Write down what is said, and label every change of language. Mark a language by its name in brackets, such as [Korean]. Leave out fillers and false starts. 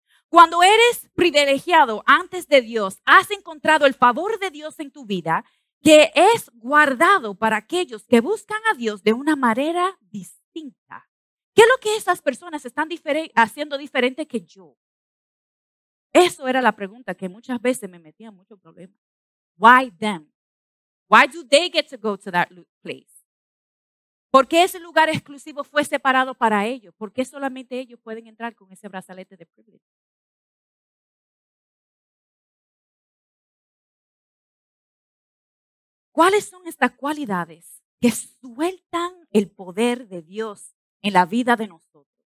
[Spanish] Cuando eres privilegiado antes de Dios, has encontrado el favor de Dios en tu vida, que es guardado para aquellos que buscan a Dios de una manera distinta. ¿Qué es lo que esas personas están haciendo diferente que yo? Eso era la pregunta que muchas veces me metía en muchos problemas. [English] Why them? Why do they get to go to that place? [Spanish] ¿Por qué ese lugar exclusivo fue separado para ellos? ¿Por qué solamente ellos pueden entrar con ese brazalete de privilegio? ¿Cuáles son estas cualidades que sueltan el poder de Dios en la vida de nosotros?